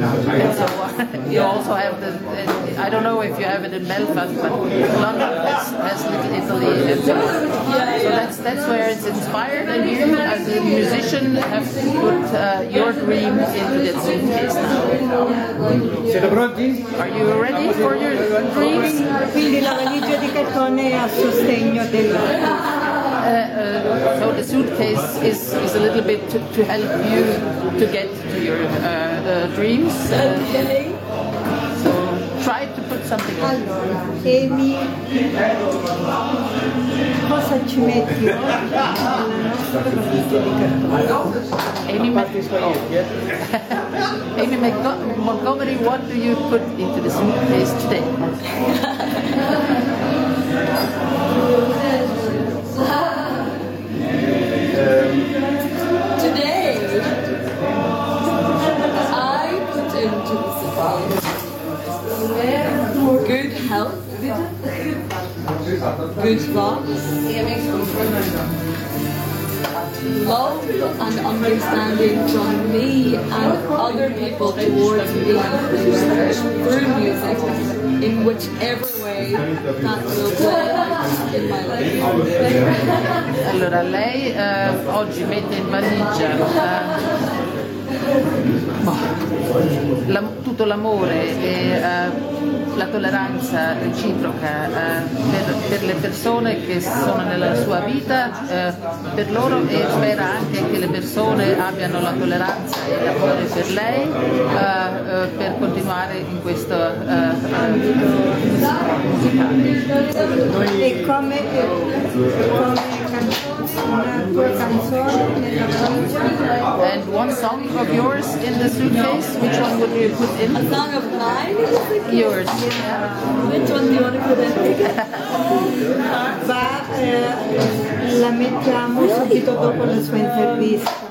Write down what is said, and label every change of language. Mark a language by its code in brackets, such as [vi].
[en] And so you also have the, I don't know if you have it in Belfast, but London has Little Italy. And so that's where it's inspired, and you as a musician have to put your dream into that suitcase now. Are you ready for your dreams? [it] Quindi la valigia di cartone a sostegno della... [en] So the suitcase is a little bit to help you to get to your dreams. Okay. So try to put something on. [it] Allora, Amy, cosa ci metti oggi? [en] Amy Montgomery, what do you put into the suitcase today? Today, I put into the suitcase good health, good thoughts, love and understanding from me and other people towards me through music, in whichever way that will play in my life. [it] Allora, lei oggi mette in valigia tutto l'amore e la tolleranza reciproca per le persone che sono nella sua vita, per loro, e spera anche che le persone abbiano la tolleranza e l'amore per lei per continuare in questo musicale. E come canzone, [en] and one song of yours in the suitcase, which one would you put in? A song of mine? Yours. Yeah. Which one do you want to put in? [it] Va, la mettiamo subito dopo la sua intervista.